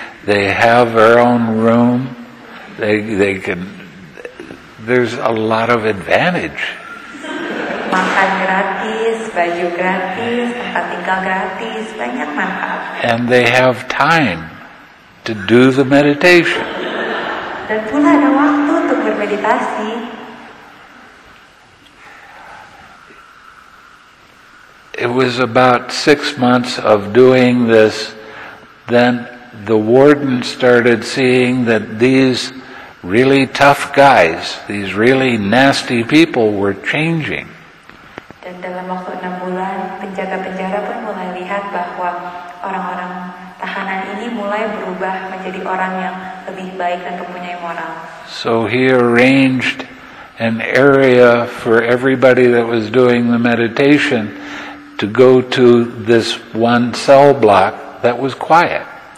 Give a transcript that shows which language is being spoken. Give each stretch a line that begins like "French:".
English: They have their own room. They can. There's a lot of advantage.
Indonesian: Makan gratis, baju gratis, tempat tinggal gratis, banyak manfaat.
English: And they have time to do the meditation.
Indonesian: Dan pula ada waktu untuk bermeditasi.
English: It was about 6 months of doing this, then the warden started seeing that these really tough guys, these really nasty people were changing.
Indonesian: Dan dalam waktu 6 bulan, penjaga penjara pun mulai lihat bahwa orang-orang tahanan ini mulai berubah menjadi orang yang lebih baik dan mempunyai moral.
English: So he arranged an area for everybody that was doing the meditation to go to this one cell block that was quiet.